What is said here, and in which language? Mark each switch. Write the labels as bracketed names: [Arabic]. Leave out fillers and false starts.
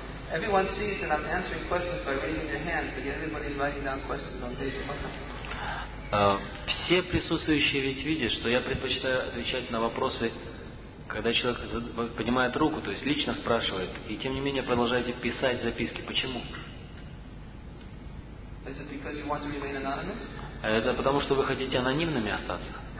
[English] Everyone sees that I'm answering questions by raising their hand, but yet everybody's writing down questions on paper. [Russian] Все присутствующие ведь видят, что я предпочитаю отвечать на вопросы, когда человек поднимает руку, то есть лично спрашивает, и тем не менее продолжаете писать записки. Почему? [English] Is it because you want to remain anonymous? [Russian] Это потому, что вы хотите анонимными остаться.